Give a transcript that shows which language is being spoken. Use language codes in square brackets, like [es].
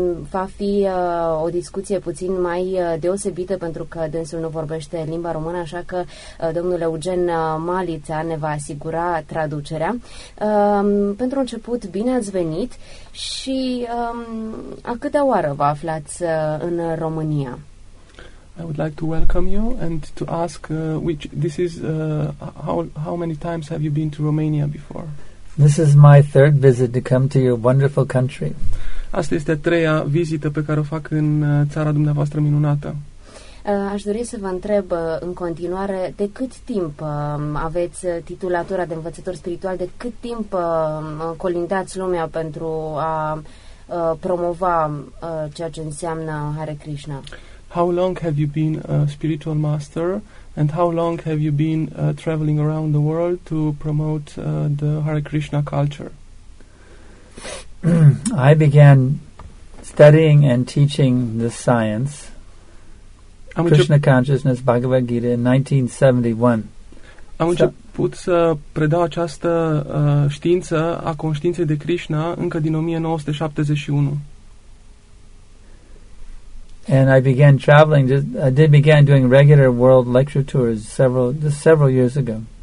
[ro] Va fi o discuție puțin mai deosebită pentru că dânsul nu vorbește limba română, așa că domnul Eugen Malița ne va asigura traducerea. Pentru început, bine ați venit și a câte oară vă aflați în România? [en] I would like to welcome you and to ask which this is how many times have you been to Romania before? This is my third visit to come to your wonderful country. [ro] Asta este a treia vizită pe care o fac în țara dumneavoastră minunată. Aș dori să vă întreb în continuare, de cât timp aveți titulatura de învățător spiritual, de cât timp colindați lumea pentru a promova ceea ce înseamnă Hare Krishna? [en] How long have you been a spiritual master and how long have you been traveling around the world to promote the Hare Krishna culture? I began studying and teaching the science Krishna Consciousness, Bhagavad Gita, in 1971. [ro] Am început să predau această știință a conștiinței de Krishna încă din 1971. [en] And I began traveling, I began doing regular world lecture tours several years ago.